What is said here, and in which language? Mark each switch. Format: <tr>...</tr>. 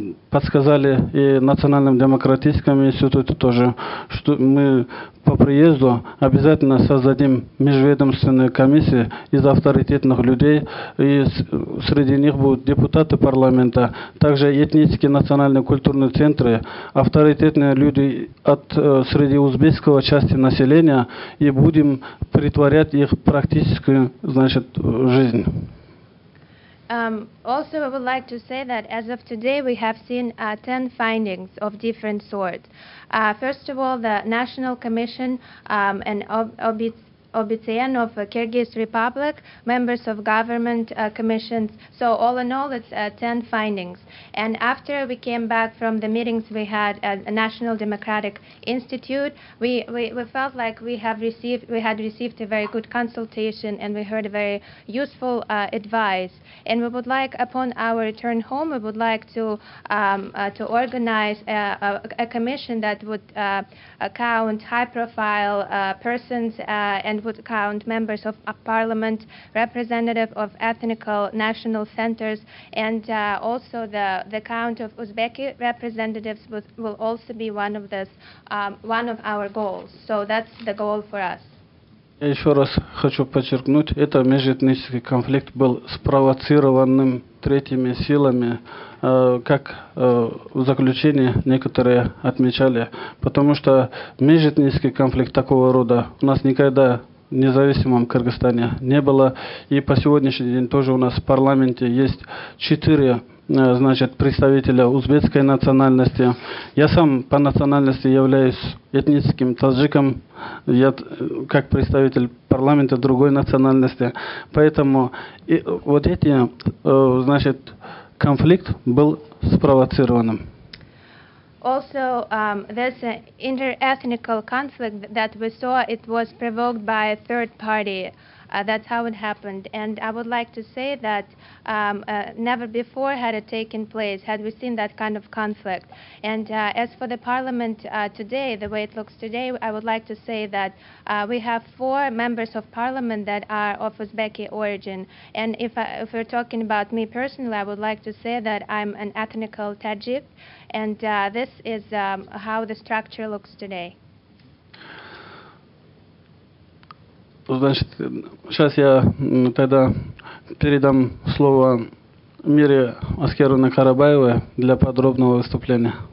<ru>подсказали и Национальным демократическим институтом тоже, что мы по приезду обязательно создадим межведомственную комиссию из авторитетных людей, и среди них будут депутаты парламента, также этнические, национальные, культурные центры, авторитетные люди от среди узбекского части населения, и будем притворять их в практическую, значит, жизнь.</ru> <en>Also, I would like to say that as of today, we have seen 10 findings of different sorts. First of all, the National Commission and Obiceyanov, Kyrgyz Republic, members of government commissions. So all in all, it's 10 findings. And after we came back from the meetings we had at the National Democratic Institute, we felt like we had received a very good consultation, and we heard a very useful advice. And we would like, upon our return home, we would like to organize a commission that would account high-profile persons and would count members of a parliament, representative of ethnical national centers, and also the count of Uzbeki representatives will also be one of this one of our goals. So that's the goal for us.</en> <ru>Я еще раз хочу подчеркнуть, это межэтнический конфликт был спровоцированным третьими силами, как в заключении некоторые отмечали. Потому что межэтнический конфликт такого рода у нас никогда в независимом Кыргызстане не было. И по сегодняшний день тоже у нас в парламенте есть четыре, значит, представителя узбекской национальности. Я сам по национальности являюсь этническим таджиком. Я как представитель парламента другой национальности. Поэтому и вот эти, значит, конфликт был спровоцированным.</ru> <en>Also, this inter-ethnical conflict that we saw, it was provoked by a third party. That's how it happened. And I would like to say that never before had it taken place, had we seen that kind of conflict. And as for the parliament today, the way it looks today, I would like to say that we have four members of parliament that are of Uzbeki origin. And if we're talking about me personally, I would like to say that I'm an ethnical Tajik. And this is how the structure looks today.</en> <ru>Значит, сейчас я тогда передам слово Мире Аскеровне Карабаевой для подробного выступления.</ru>